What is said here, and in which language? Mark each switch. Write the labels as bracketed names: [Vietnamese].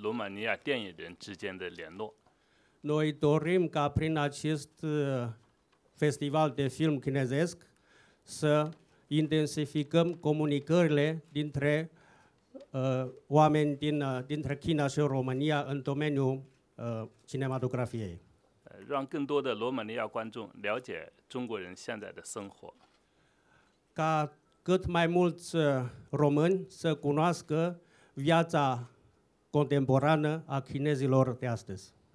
[Chinese] 我们也希望通过这次展映活动能够沟通中国和罗马尼亚电影人之间的联络。 [Romanian] Noi dorim ca prin acest festival de film chinezesc să intensificăm comunicările dintre oameni dintre China și România în domeniul cinematografiei. [Chinese] 让更多的罗马尼亚观众了解中国人现在的生活。 [Romanian] Ca cât mai mulți români să cunoască viața contemporană a chinezilor de astăzi.